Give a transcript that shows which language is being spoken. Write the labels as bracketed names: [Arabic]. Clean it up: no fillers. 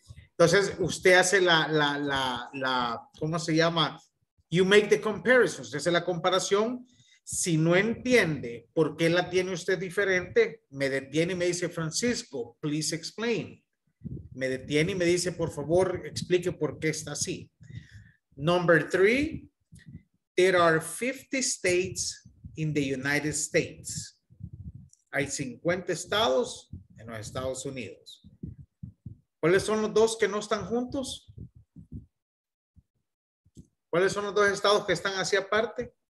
[Spanish] Entonces, usted hace la, ¿cómo se llama? [English] You make the comparison. [Spanish] Usted hace la comparación. Si no entiende por qué la tiene usted diferente, me detiene y me dice, Francisco, [English] please explain. [Spanish] Me detiene y me dice, por favor, explique por qué está así. [English] Number three, there are 50 states in the United States. [Spanish] Hay 50 estados en los Estados Unidos. ¿Cuáles son los dos que no están juntos? ¿Cuáles son los dos estados que están así aparte?